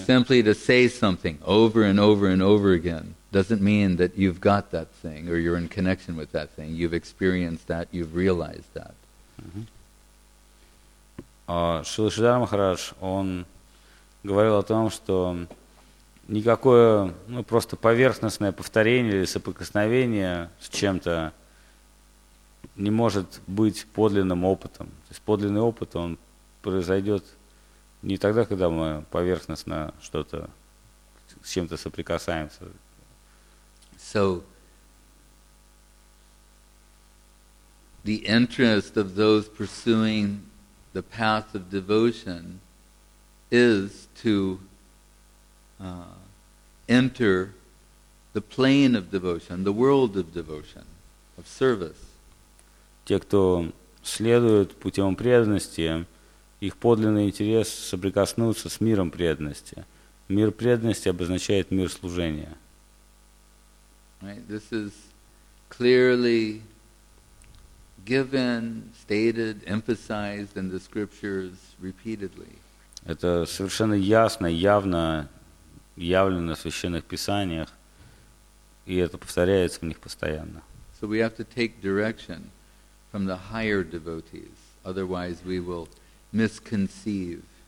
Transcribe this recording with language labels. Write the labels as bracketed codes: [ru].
[en] Simply to say something over and over and over again doesn't mean that you've got that thing or you're in connection with that thing. You've experienced that, you've realized that. [ru] Шрила Шридхар Махарадж, он говорил о том, что никакое, ну, просто поверхностное повторение или соприкосновение с чем-то не может быть подлинным опытом. То есть подлинный опыт, он произойдет не тогда, когда мы поверхностно что-то с чем-то соприкасаемся. [en] So, the interest of those pursuing the path of devotion is to enter the plane of devotion, the world of devotion, of service. [ru] Те, кто следует путем преданности, их подлинный интерес соприкоснуться с миром преданности. Мир преданности обозначает мир служения. [en] Right, this is clearly given, stated, emphasized in the scriptures repeatedly. [ru] Это совершенно ясно, явно явлено в священных писаниях, и это повторяется в них постоянно. [en] So we have to take direction from the higher devotees, otherwise we will misconceive.